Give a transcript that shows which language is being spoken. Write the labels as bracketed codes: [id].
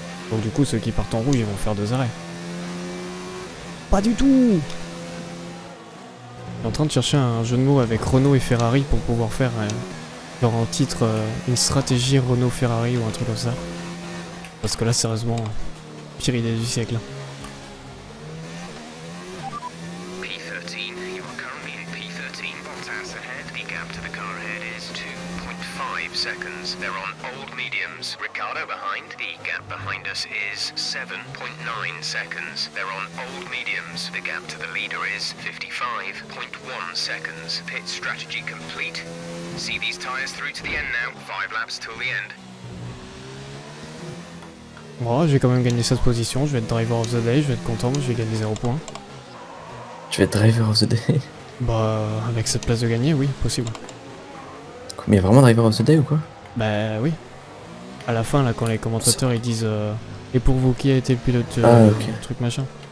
[fr] Donc du coup, ceux qui partent en rouge, ils vont faire deux arrêts. Pas du tout! Je suis en train de chercher un jeu de mots avec Renault et Ferrari pour pouvoir faire genre en titre une stratégie Renault-Ferrari ou un truc comme ça. Parce que là, sérieusement, pire idée du siècle. [en] P13, you are currently at P13. Bottas ahead. The gap to the car ahead is 2.5 seconds. tires. They're on old mediums. Ricardo behind. The gap behind us is 7.9 seconds. They're on old mediums. The gap to the leader is 55.1 seconds. Pit strategy complete. See these tires through to the end now. 5 laps till the end. [fr] Bon, je vais quand même gagner cette position. Je vais être [en] driver of the day. [fr] Je vais être content. Je vais gagner 0 points. Tu vas être [en] driver of the day? [fr] Bah, avec cette place de gagner, oui, possible. Mais y'a vraiment [en] driver of the day [fr] ou quoi? Bah oui. À la fin, là, quand les commentateurs ils disent et pour vous, qui a été le pilote truc machin.